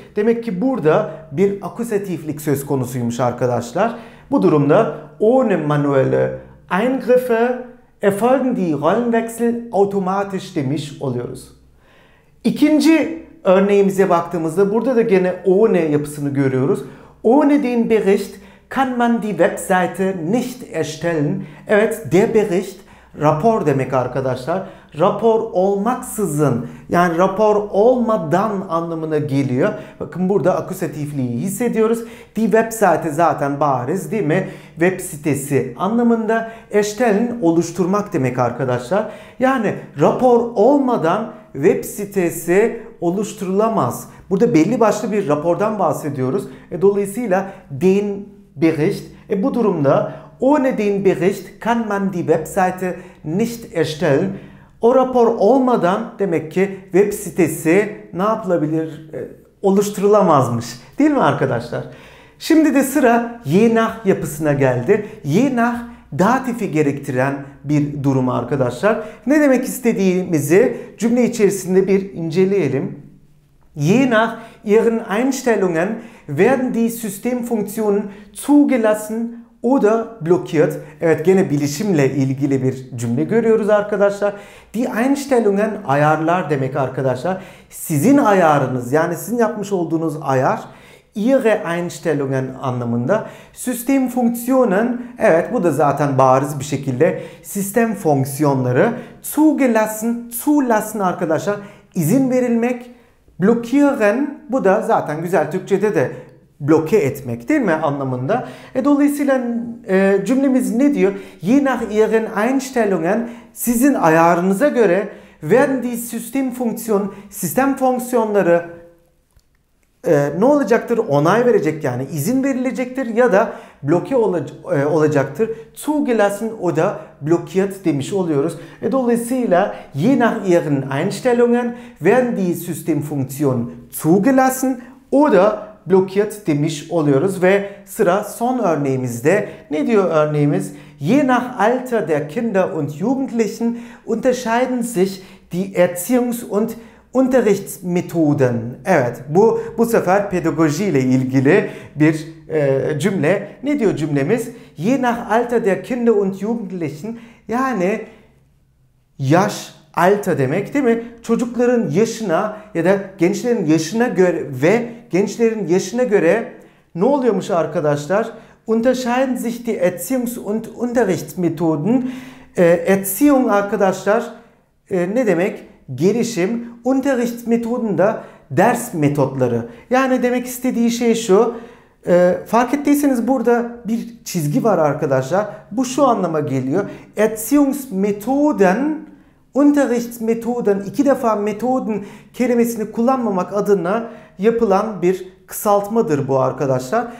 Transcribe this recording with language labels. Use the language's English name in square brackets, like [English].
[Turkish] Demek ki burada bir akusatiflik söz konusuymuş arkadaşlar. Bu durumda [German] ohne manuelle Eingriffe erfolgen die Rollenwechsel automatisch [Turkish] demiş oluyoruz. İkinci örneğimize baktığımızda burada da gene ohne yapısını görüyoruz. [German] Ohne den Bericht kann man die Webseite nicht erstellen. [Turkish] Evet, der Bericht rapor demek arkadaşlar. Rapor olmaksızın, yani rapor olmadan anlamına geliyor. Bakın burada akusatifliği hissediyoruz. Die Webseite zaten bariz, değil mi? Web sitesi anlamında, erstellen oluşturmak demek arkadaşlar. Yani rapor olmadan web sitesi oluşturulamaz. Burada belli başlı bir rapordan bahsediyoruz. Dolayısıyla den Bericht. Bu durumda [German] ohne den Bericht kann man die Webseite nicht erstellen. [Turkish] O rapor olmadan demek ki web sitesi ne yapılabilir? Oluşturulamazmış. Değil mi arkadaşlar? Şimdi de sıra je nach yapısına geldi. Je nach datifi gerektiren bir durum arkadaşlar. Ne demek istediğimizi cümle içerisinde bir inceleyelim. [German] Je nach ihren Einstellungen werden die Systemfunktionen zugelassen oder blockiert. [Turkish] Evet, gene bilişimle ilgili bir cümle görüyoruz arkadaşlar. Die Einstellungen, ayarlar demek arkadaşlar. Sizin ayarınız, yani sizin yapmış olduğunuz ayar, ihre Einstellungen anlamında. Systemfunktionen, evet bu da zaten bariz bir şekilde sistem fonksiyonları. Zugelassen, zulassen arkadaşlar, izin verilmek. Blockieren, bu da zaten güzel Türkçe'de de bloke etmek, değil mi anlamında. Dolayısıyla cümlemiz ne diyor? [German] Je nach ihren Einstellungen, [Turkish] sizin ayarınıza göre, [German] werden die Systemfunktion, [Turkish] sistem fonksiyonları ne olacaktır? Onay verecek, yani izin verilecektir, ya da bloke olacaktır. [German] Zugelassen oder blockiert [Turkish] demiş oluyoruz. Dolayısıyla [German] je nach ihren Einstellungen werden die Systemfunktionen zugelassen oder blockiert [Turkish] demiş oluyoruz. Ve sıra son örneğimizde. Ne diyor örneğimiz? [German] Je nach Alter der Kinder und Jugendlichen unterscheiden sich die Erziehungs- und Unterrichtsmethoden. [Turkish] Evet, bu sefer pedagoji ile ilgili bir cümle. Ne diyor cümlemiz? [German] Je nach Alter der Kinder und Jugendlichen, [Turkish] yani yaş, alter demek, değil mi? Çocukların yaşına ya da gençlerin yaşına göre ve gençlerin yaşına göre ne oluyormuş arkadaşlar? [German] Unterscheiden sich die Erziehungs- und Unterrichtsmethoden. [Turkish] Erziehung arkadaşlar ne demek? Gelişim, Unterrichtsmethoden da ders metotları. Yani demek istediği şey şu, fark ettiyseniz burada bir çizgi var arkadaşlar. Bu şu anlama geliyor. Erziehungsmethoden, Unterrichtsmethoden, iki defa metoden kelimesini kullanmamak adına yapılan bir kısaltmadır bu arkadaşlar.